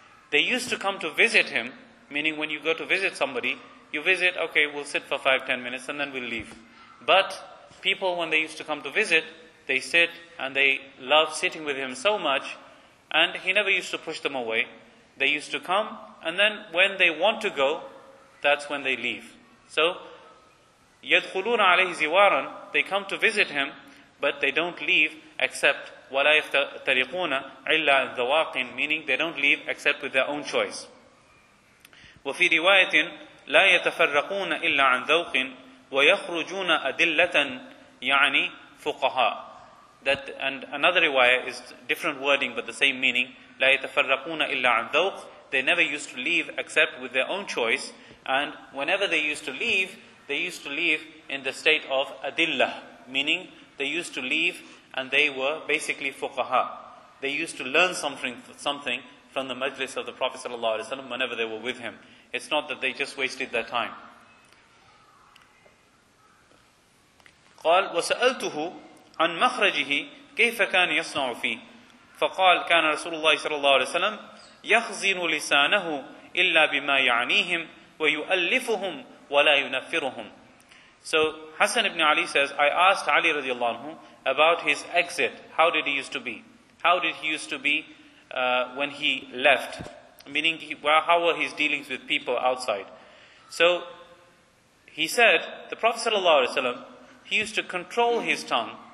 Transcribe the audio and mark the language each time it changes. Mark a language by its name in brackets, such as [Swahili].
[English] They used to come to visit him, meaning when you go to visit somebody, you visit, okay, we'll sit for 5-10 minutes and then we'll leave. But people, when they used to come to visit, they sit and they love sitting with him so much, and he never used to push them away. They used to come, and then when they want to go, that's when they leave. [Arabic] So, يَدْخُلُونَ عَلَيْهِ زِوَارٌ. [English] They come to visit him, but they don't leave except [Arabic] وَلَا يَفْتَرِقُونَ إِلَّا ذَوَاقٍ. [English] Meaning, they don't leave except with their own choice. [Arabic] وَفِي رِوَايَةٍ لَا يَتَفَرَّقُونَ إِلَّا عَنْ ذَوْقٍ وَيَخْرُجُونَ أَدِلَّةً يَعْنِي فُقَهَا. [English] That, and another riwayah is different wording but the same meaning. [Arabic] لَا يَتَفَرَّقُونَ إِلَّا عَنْ ذَوْقٍ. [English] They never used to leave except with their own choice. And whenever they used to leave, they used to leave in the state of adillah, meaning they used to leave and they were basically fuqaha. They used to learn something from the majlis of the Prophet ﷺ whenever they were with him. It's not that they just wasted their time. [Arabic] قال وسألته عن مخرجه كيف كان يصنع فيه فقال كان رسول الله صلى الله عليه وسلم يخزن لسانه إلا بما يعنيهم ويؤلفهم ولا ينفرهم. [English] So Hassan ibn Ali says, I asked Ali radiallahu anhu about his exit. How did he used to be? How did he used to be when he left? Meaning, how were his dealings with people outside? So he said, the Prophet sallallahu alaihi wasallam, he used to control his tongue.